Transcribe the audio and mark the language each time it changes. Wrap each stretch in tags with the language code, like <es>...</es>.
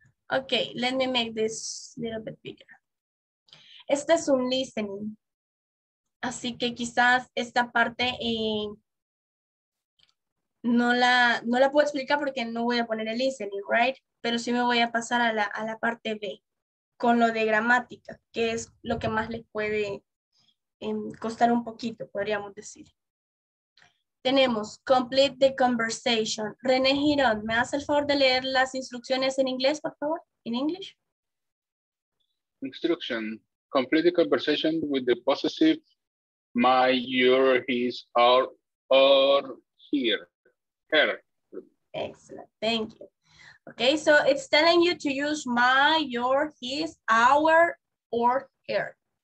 <en>Okay, let me make this a little bit bigger.</en> <es>Este es un listening. Así que quizás esta parte no la puedo explicar porque no voy a poner el listening, right? Pero sí me voy a pasar a la parte B, con lo de gramática, que es lo que más les puede costar un poquito, podríamos decir. Tenemos</es> <en>complete the conversation.</en> <es>René Girón, ¿me hace el favor de leer las instrucciones en inglés, por favor?</es> <en>In English. Instruction. Complete the conversation with the possessive my, your, his, our, here. Excellent, thank you. Okay, so it's telling you to use my, your, his, our, or her.</en>